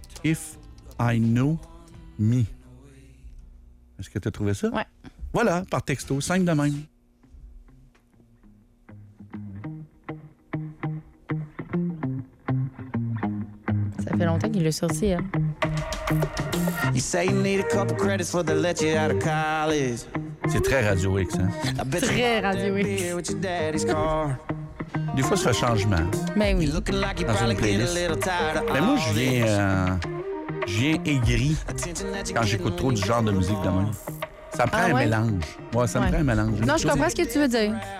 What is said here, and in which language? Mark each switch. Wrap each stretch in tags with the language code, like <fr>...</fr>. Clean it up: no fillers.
<en>If I know me.</en> <fr>Est-ce que tu as trouvé ça? Ouais. Voilà, par texto, simple de même. Ça fait longtemps qu'il est sorti, hein?</fr> <en>You say you need a couple credits for the let you out of college.</en> <fr>C'est très Radio X, hein? Très Radio X. Des fois, ça fait changement. Mais oui. Dans une playlist. Mais moi, je viens aigri quand j'écoute trop du genre de musique de même. Ça prend ah, un ouais? mélange. Ouais, ça me prend un mélange. Non, je comprends ce que tu veux dire.</fr>